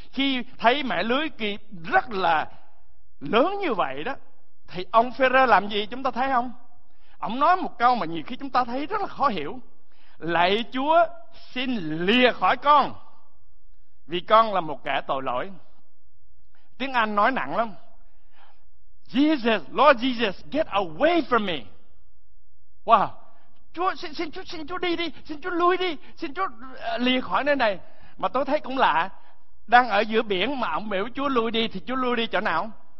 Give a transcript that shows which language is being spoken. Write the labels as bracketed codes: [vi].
[vi] Khi thấy mẻ lưới kịp rất là lớn như vậy đó, thì ông Phêrô làm gì chúng ta thấy không? Ông nói một câu mà nhiều khi chúng ta thấy rất là khó hiểu. Lạy Chúa, xin lìa khỏi con, vì con là một kẻ tội lỗi. Tiếng Anh nói nặng lắm. [en] Jesus, Lord Jesus, get away from me. Wow. [vi] Chúa, xin Chúa đi đi, xin Chúa lui đi, xin Chúa lìa khỏi nơi này. Mà tôi thấy cũng lạ, đang ở giữa biển mà ông biểu Chúa lui đi, thì Chúa lui đi chỗ nào?